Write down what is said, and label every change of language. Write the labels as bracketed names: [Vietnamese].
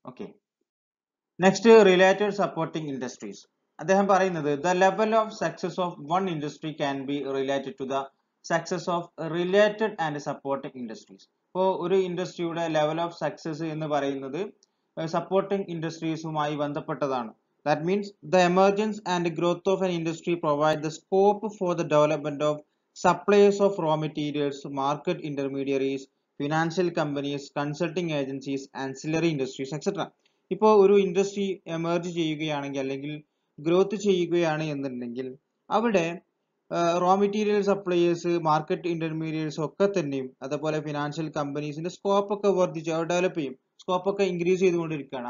[English] Okay, next related supporting industries. [Malayalam] അദ്ദേഹം പറയുന്നത് [English] The level of success of one industry can be related to the success of related and supporting industries. [Malayalam] ഇപ്പോൾ ഒരു ഇൻഡസ്ട്രിയുടെ level of success എന്ന് പറയുന്നത് supporting ഇൻഡസ്ട്രീസുമായി ബന്ധപ്പെട്ടതാണ്. The [English] That means the emergence and the growth of an industry provide the scope for the development of suppliers of raw materials, market intermediaries, financial companies, consulting agencies, ancillary industries, etc. [Malayalam] ഇപ്പോ ഒരു industry emerge ചെയ്യുകയാണെങ്കിൽ അല്ലെങ്കിൽ growth ചെയ്യുകയാണ് എന്നുണ്ടെങ്കിൽ അവിടെ raw material suppliers, market intermediates ഒക്കെ തന്നെയും അതേപോലെ ഫിനാൻഷ്യൽ കമ്പനീസിന്റെ സ്കോപ്പ് ഒക്കെ വർദ്ധിച്ച് ഡെവലപ്പ് ചെയ്യും, സ്കോപ്പ് ഒക്കെ ഇൻക്രീസ് ചെയ്തുകൊണ്ടിരിക്കുകയാണ്.